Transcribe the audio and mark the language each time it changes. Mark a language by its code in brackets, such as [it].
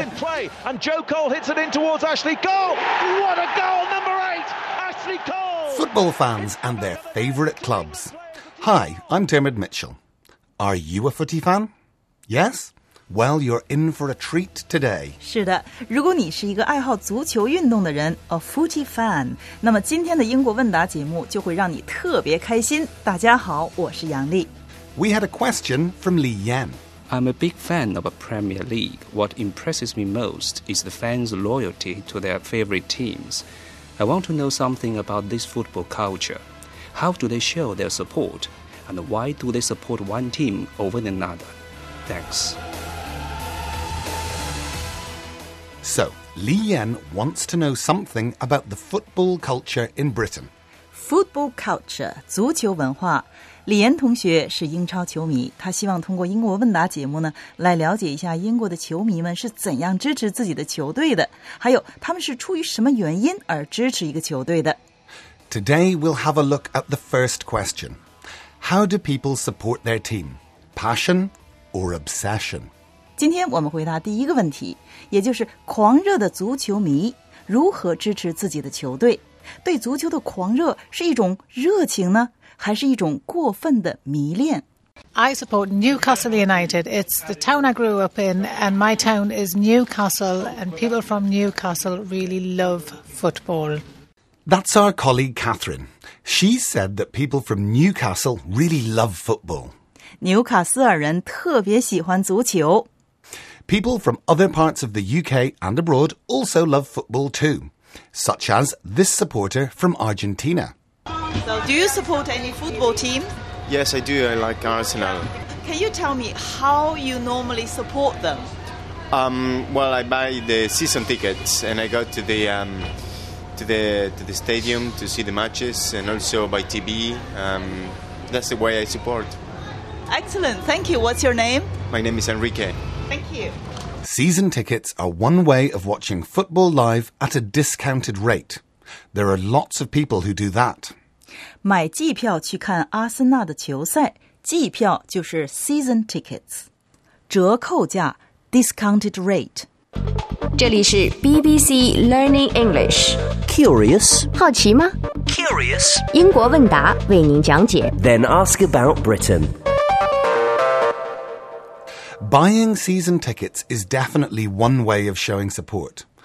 [en] Play, and Joe Cole hits it in towards Ashley Cole. What a goal, number eight, Ashley Cole. Football fans and their favourite clubs. Hi, I'm Dermot Mitchell. Are you a footy fan? Yes? Well, you're in for a treat today. [zh] 是的，如果你是一个爱好足球运动的人 ， [en] a footy fan， [zh] 那么今天的英国问答节目就会让你特别开心。大家好，我是杨丽。 [en] We had a question from Li Yan. I'm a big fan of a Premier League. What impresses me most is the fans' loyalty to their favorite teams. I want to know something about this football culture. How do they show their support? And why do they support one team over another? Thanks. So, Li Yan wants to know something about the football culture in Britain. Football culture, [zh] 足球文化。李岩同学是英超球迷，他希望通过英国问答节目呢，来了解一下英国的球迷们是怎样支持自己的球队的，还有他们是出于什么原因而支持一个球队的。 [en] Today we'll have a look at the first question. How do people support their team? Passion or obsession? [zh] 今天我们回答第一个问题，也就是狂热的足球迷如何支持自己的球队？对足球的狂热是一种热情呢，还是一种过分的迷恋？ [en] I support Newcastle United. It's the town I grew up in, and my town is Newcastle, and people from Newcastle really love football. That's our colleague Catherine. She said that people from Newcastle really love football. [zh] 纽卡斯尔人特别喜欢足球。 [en] People from other parts of the UK and abroad also love football too, such as this supporter from Argentina. So, do you support any football team? Yes, I do. I like Arsenal. Can you tell me how you normally support them? Well, I buy the season tickets and I go to the stadium to see the matches and also by TV. That's the way I support. Excellent. Thank you. What's your name? My name is Enrique. Thank you. Season tickets are one way of watching football live at a discounted rate. There are lots of people who do that. [zh] 买季票去看阿森纳的球赛，季票就是 season tickets. 折扣价 [en] discounted rate. [zh] 这里是 BBC Learning English. [en] Curious? [zh] 好奇吗 [en] ?Curious? [zh] 英国问答为您讲解。 [en] Then ask about Britain. Buying season tickets is definitely one way of showing support.